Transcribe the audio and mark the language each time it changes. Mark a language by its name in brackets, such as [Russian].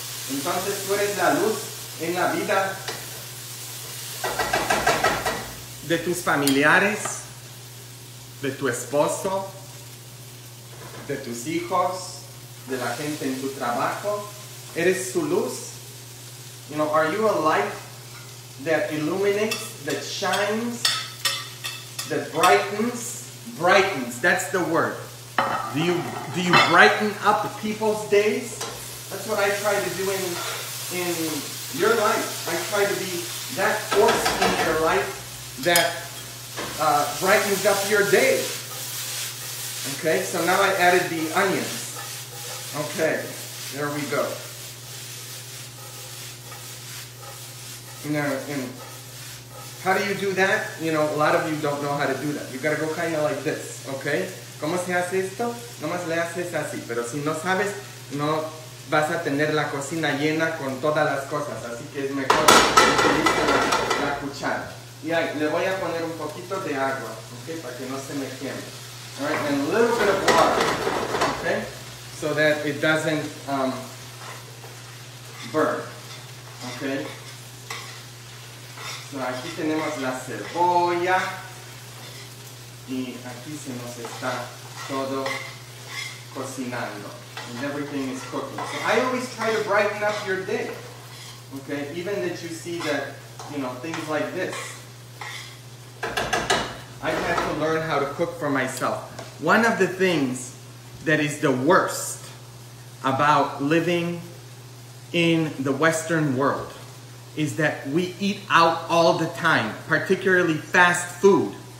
[Spanish] Entonces tú eres la luz en la vida de tus familiares, de tu esposo, de tus hijos, de la gente en tu trabajo. Eres su luz. [English] You know, are you a light that illuminates, that shines, that brightens? Brightens, that's the word. Do you brighten up people's days? That's what I try to do in your life. I try to be that force in your life that brightens up your day. Okay, so now I added the onions. Okay, there we go. And how do you do that? You know, a lot of you don't know how to do that. You gotta go kinda like this, okay? [Spanish] ¿Cómo se hace esto? Nomás le haces así, pero si no sabes, no vas a tener la cocina llena con todas las cosas, así que es mejor utilizar la cuchara. Y ahí, le voy a poner un poquito de agua, okay, para que no se me queme. [English] All right, and a little bit of water, okay, so that it doesn't burn, okay. [Spanish] So aquí tenemos la cebolla y aquí se nos está todo cocinando. [English] And everything is cooking. So I always try to brighten up your day. Okay, even that you see that, you know, things like this. I have to learn how to cook for myself. One of the things that is the worst about living in the Western world is that we eat out all the time, particularly fast food.